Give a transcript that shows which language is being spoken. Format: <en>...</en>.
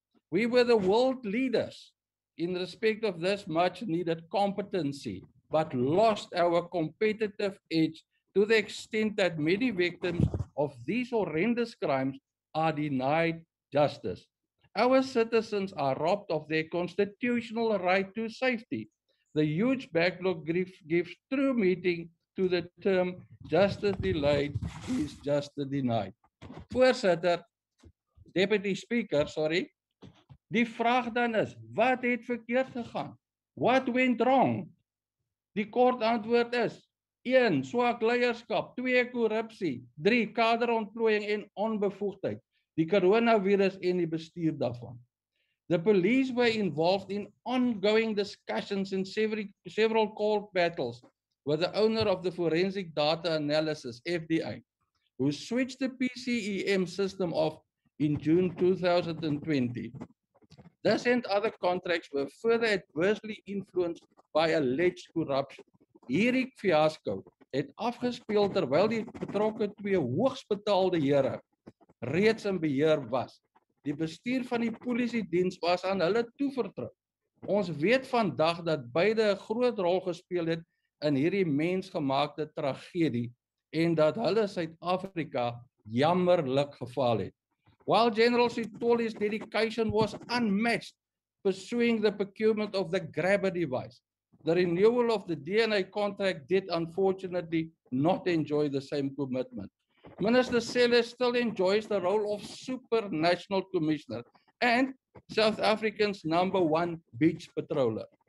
<en>We were the world leaders in respect of this much needed competency, but lost our competitive edge to the extent that many victims of these horrendous crimes are denied justice. Our citizens are robbed of their constitutional right to safety. The huge backlog gives true meaning to the term justice delayed is justice denied. Voorsitter, Deputy Speaker, sorry.</en> <af>Die vraag dan is, wat het verkeerd gegaan?</af> <en>What went wrong?</en> <af>Die kort antwoord is, 1. Swak leierskap, 2. Korrupsie, 3. Kaderontplooiing en onbevoegdheid, die coronavirus en die bestuur daarvan.</af> <en>The police were involved in ongoing discussions in several court battles with the owner of the Forensic Data Analysis, FDA, who switched the PCEM system off in June 2020. This and other contracts were further adversely influenced by alleged corruption.</en> <af>Hierdie fiasco het afgespeel terwyl die betrokke twee hoogs betaalde here reeds in beheer was. Die bestuur van die polisiediens was aan hulle toevertrou. Ons weet vandag dat beide 'n groot rol gespeel het in hierdie mensgemaakte tragedie en dat hulle Suid-Afrika jammerlik gefaal het.</af> <en>While General Sithole's dedication was unmatched pursuing the procurement of the grabber device, the renewal of the DNA contract did unfortunately not enjoy the same commitment. Minister Sele still enjoys the role of supranational commissioner and South Africa's number one beach patroller.</en>